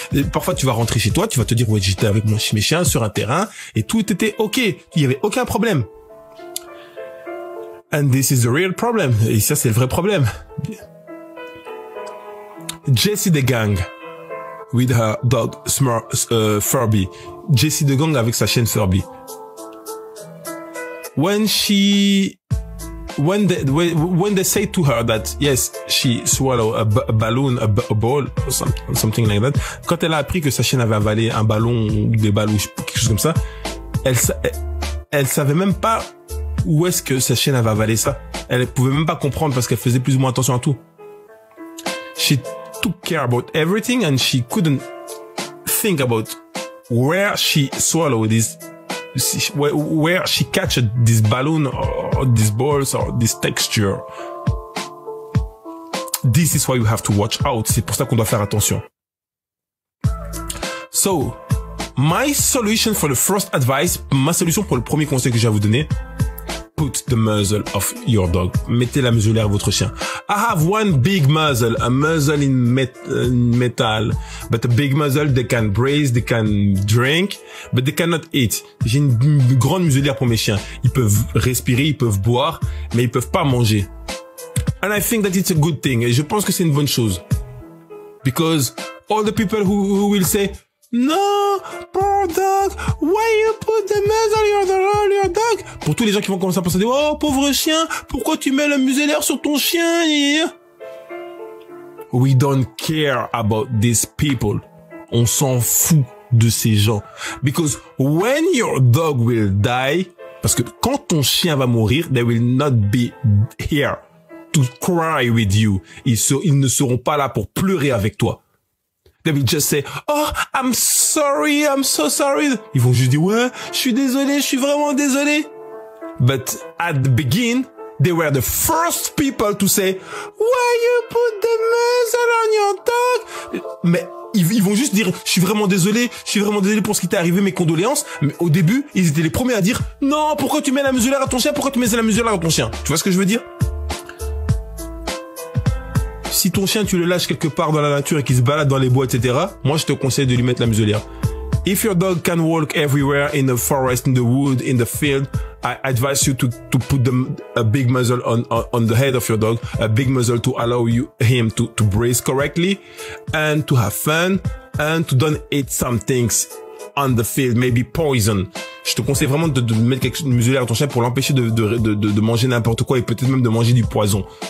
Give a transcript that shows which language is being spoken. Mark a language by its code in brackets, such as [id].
[fr] Et parfois tu vas rentrer chez toi, tu vas te dire ouais, j'étais avec mes chiens sur un terrain et tout était okay. Il y avait aucun problème. [en] And this is the real problem. [fr] Et ça, c'est le vrai problème. [en] Jesse the Gang with her dog Smurf, Furby. [fr] Jesse the Gang avec sa chienne Furby. [en] When they say to her that yes, she swallowed a balloon, a ball, something like that. [fr] Quand elle a appris que sa chienne avait avalé un ballon ou des balles ou quelque chose comme ça, elle savait même pas où est-ce que sa chienne avait avalé ça. Elle pouvait même pas comprendre parce qu'elle faisait plus ou moins attention à tout. [en] She took care about everything and she couldn't think about where she swallowed this. Where she catches this balloon or these balls or this texture. This is why you have to watch out. [fr] C'est pour ça qu'on doit faire attention. [en] So, my solution for the first advice, [fr] ma solution pour le premier conseil que j'ai à vous donner, [en] put the muzzle of your dog. [fr] Mettez la muselière à votre chien. [en] I have one big muzzle, a muzzle in metal. But a big muzzle, they can breathe, they can drink, but they cannot eat. [fr] J'ai une grande muselière pour mes chiens. Ils peuvent respirer, ils peuvent boire, mais ils peuvent pas manger. [en] And I think that it's a good thing. [fr] Et je pense que c'est une bonne chose. [en] Because all the people who will say, no, poor dog, why you put the muzzle on your dog? [fr] Pour tous les gens qui vont commencer à penser, oh, pauvre chien, pourquoi tu mets le muselière sur ton chien? [en] We don't care about these people. [fr] On s'en fout de ces gens. [en] Because when your dog will die, [fr] parce que quand ton chien va mourir, [en] they will not be here to cry with you. [fr] Ils ne seront pas là pour pleurer avec toi. [en] They will just say, oh, I'm sorry, I'm so sorry. [fr] Ils vont juste dire, ouais, je suis désolé, je suis vraiment désolé. [en] But at the beginning, they were the first people to say, why you put the muzzle on your dog? [fr] Mais ils vont juste dire, je suis vraiment désolé pour ce qui t'est arrivé, mes condoléances. Mais au début, ils étaient les premiers à dire, non, pourquoi tu mets la muselière à ton chien? Pourquoi tu mets la muselière à ton chien? Tu vois ce que je veux dire? Si ton chien, tu le lâches quelque part dans la nature et qu'il se balade dans les bois, etc., moi, je te conseille de lui mettre la muselière. [en] If your dog can walk everywhere in the forest, in the wood, in the field, I advise you to put a big muzzle on the head of your dog, a big muzzle to allow him to breathe correctly and to have fun and to don't eat some things on the field, maybe poison. [fr] Je te conseille vraiment de mettre une muselière à ton chien pour l'empêcher de manger n'importe quoi et peut-être même de manger du poison.